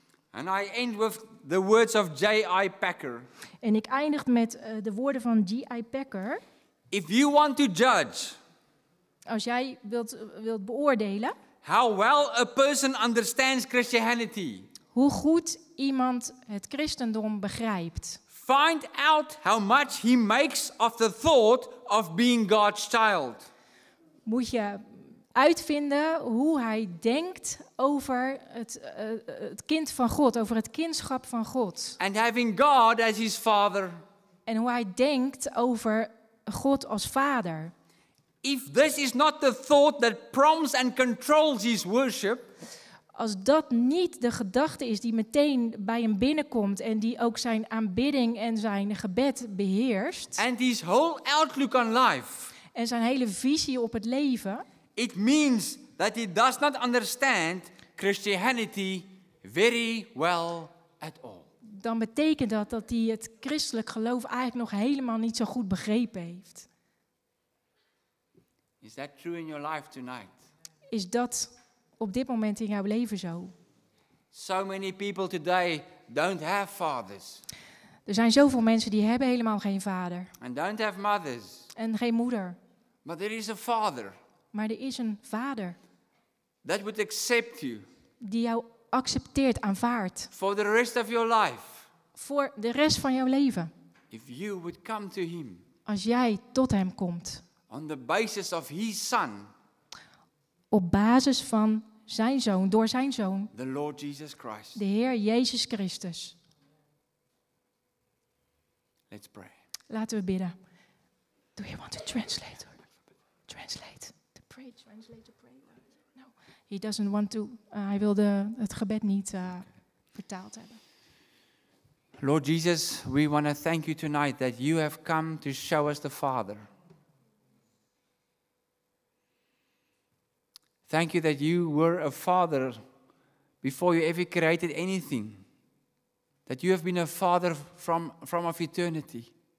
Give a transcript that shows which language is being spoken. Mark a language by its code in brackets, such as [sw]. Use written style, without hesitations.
[en] And I end with the words of J.I. Packer. [nl] En ik eindig met de woorden van J.I. Packer. [en] If you want to judge, [nl] als jij wilt beoordelen, [en] how well a person understands Christianity, [nl] hoe goed iemand het christendom begrijpt. [en] Find out how much he makes of the thought of being God's child. [nl] Moet je uitvinden hoe hij denkt over het kind van God, over het kindschap van God. [en] And having God as his father. [nl] En hoe hij denkt over God als vader. [en] If this is not the thought that prompts and controls his worship. [nl] Als dat niet de gedachte is die meteen bij hem binnenkomt en die ook zijn aanbidding en zijn gebed beheerst. [en] And his whole outlook on life. [nl] En zijn hele visie op het leven. [en] It means that he does not understand Christianity very well at all. [nl] Dan betekent dat hij het christelijk geloof eigenlijk nog helemaal niet zo goed begrepen heeft. [en] Is that true in your life tonight? [nl] Is dat op dit moment in jouw leven zo? [en] So many people today don't have fathers. [nl] Er zijn zoveel mensen die hebben helemaal geen vader. [en] And don't have mothers. [nl] En geen moeder. [en] But there is a father. [nl] Maar er is een vader. [en] That would accept you. [nl] Die jou accepteert, aanvaardt. [en] For the rest of your life. [nl] Voor de rest van jouw leven. [en] If you would come to him. [nl] Als jij tot hem komt. [en] On the basis of his son. [nl] Op basis van zijn zoon, door zijn zoon. [en] The Lord Jesus Christ. [nl] De Heer Jezus Christus. [en] Let's pray. [nl] Laten we bidden. [en] Do you want to translate? Translate. To pray, translate, to pray. No. he doesn't want to. [nl] Hij wilde het gebed niet vertaald hebben. [en] Lord Jesus, we want to thank you tonight that you have come to show us the Father. Thank you that you were a father before you ever created anything. That you have been a father from of eternity.